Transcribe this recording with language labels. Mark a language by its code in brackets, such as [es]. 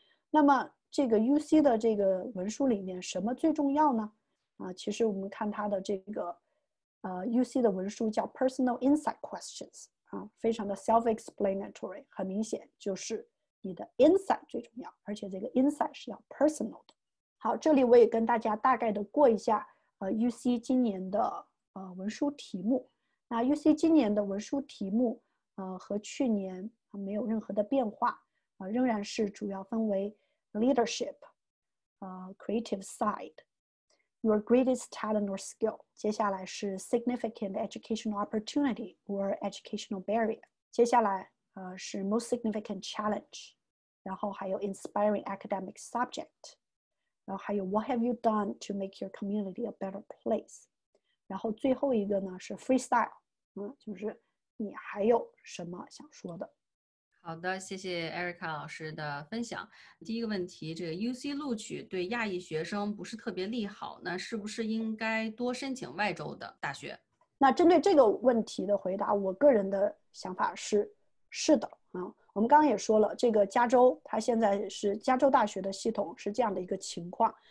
[zh] 那么这个 UC 的这个文书里面什么最重要呢其实我们看它的这个UC 的文书叫 [en] personal insight questions [zh] 非常的 self-explanatory， 很明显就是你的 insight 最重要，而且这个 insight 是要 personal 的。好，这里我也跟大家大概的过一下UC 今年的文书题目。那 UC 今年的文书题目和去年没有任何的变化仍然是主要分为 leadership [en] creative side your greatest talent or skill， [zh] 接下来是 [en] significant educational opportunity or educational barrier， 接下来是 most significant challenge， [zh] 然后还有 [en] inspiring academic subject， 然后还有 what have you done to make your community a better place， [zh] 然后最后一个呢是 [en] freestyle [zh] 就是你还有什么想说的。好的，谢谢 Erica 老师的分享。第一个问题，这个 UC 录取对亚裔学生不是特别利好，那是不是应该多申请外州的大学？那针对这个问题的回答，我个人的想法是的我们刚刚也说了，这个加州它现在是加州大学的系统是这样的一个情况。